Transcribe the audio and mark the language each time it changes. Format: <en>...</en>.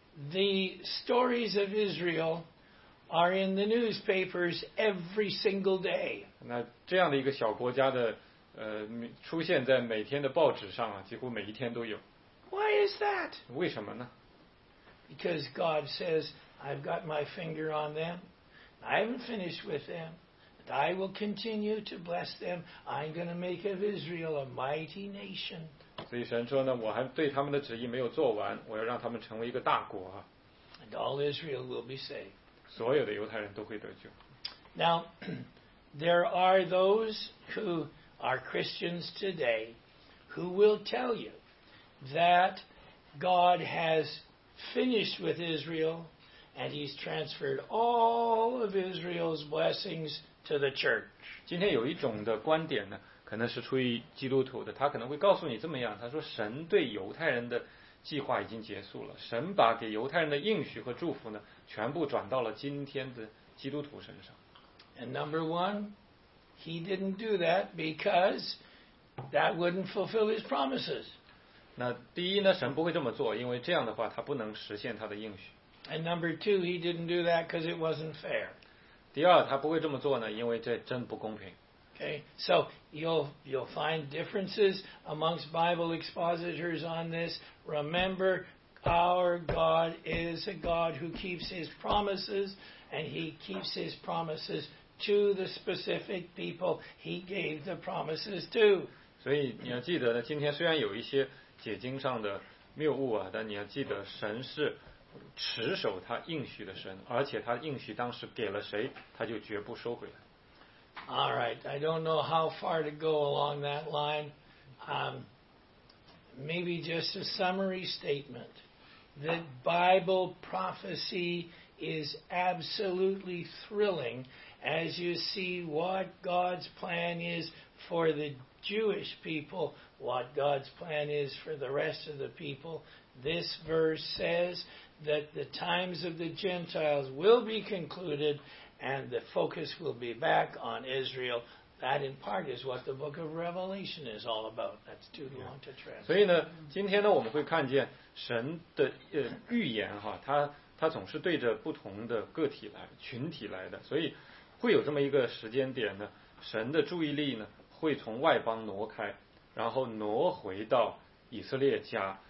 <en>The stories of Israel are in the newspapers every single day.</en> <zh>那这样的一个小国家的出现在每天的报纸上啊，几乎每一天都有。</zh> <en>Why is that?</en> <zh>为什么呢？</zh> <en>Because God says, I've got my finger on them. I haven't finished with them. I will continue to bless them. I'm going to make of Israel a mighty nation.</en> <zh>所以神说呢，我还对他们的旨意没有做完，我要让他们成为一个大国啊。</zh> <en>And all Israel will be saved.</en> <zh>所有的犹太人都会得救。</zh> <en>Now, there are those who are Christians today who will tell you that God has finished with Israel and He's transferred all of Israel's blessings. To the church.</en> <zh>今天有一种的观点呢，可能是出于基督徒的，他可能会告诉你这么样，他说神对犹太人的计划已经结束了，神把给犹太人的应许和祝福呢，全部转到了今天的基督徒身上。</zh> <en>And number one, he didn't do that because that wouldn't fulfill his promises.</en> <zh>那第一呢，神不会这么做，因为这样的话他不能实现他的应许。</zh> <en>And number two, he didn't do that because it wasn't fair.</en> <zh>第二，他不会这么做呢，因为这真不公平。</zh> <en>Okay, so you'll find differences amongst Bible expositors on this. Remember, our God is a God who keeps His promises, and He keeps His promises to the specific people He gave the promises to.</en> <zh>所以你要记得呢，今天虽然有一些解经上的谬误啊，但你要记得神是。持守他应许的神，而且他应许当时给了谁，他就绝不收回来。</zh> <en>All right, I don't know how far to go along that line. Maybe just a summary statement that Bible prophecy is absolutely thrilling as you see what God's plan is for the Jewish people, what God's plan is for the rest of the people. This verse says. That the times of the Gentiles will be concluded and the focus will be back on Israel. That in part is what the book of Revelation is all about. That's too long to translate.</en> <zh>所以呢，今天呢，我们会看见神的预言哈，他总是对着不同的个体来、群体来的，所以会有这么一个时间点呢，神的注意力呢会从外邦挪开，然后挪回到以色列家。</zh>